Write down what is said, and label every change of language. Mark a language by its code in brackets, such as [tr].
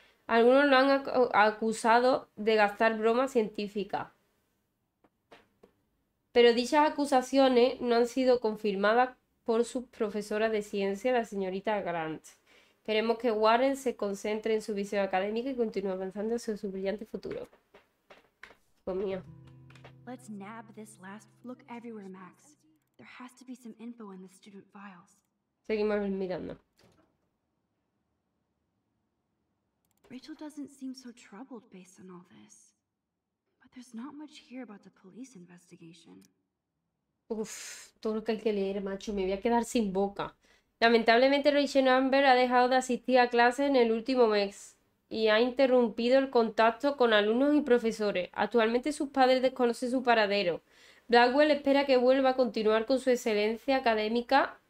[es] Algunos lo han acusado de gastar bromas científicas. Pero dichas acusaciones no han sido confirmadas por su profesora de ciencia, la señorita Grant. Esperemos que Warren se concentre en su visión académica y continúe avanzando hacia su brillante futuro. Hijo mío. [en] Let's nab this last look everywhere, Max. There has to be some info in the student files. [es] Seguimos mirando. [en] Rachel doesn't seem so troubled based on all this. But there's not much here about the police investigation. [es] Uf, todo lo que hay que leer, macho, me voy a quedar sin boca. Lamentablemente, Rachel Amber ha dejado de asistir a clase en el último mes y ha interrumpido el contacto con alumnos y profesores. Actualmente sus padres desconocen su paradero. Blackwell espera que vuelva a continuar con su excelencia académica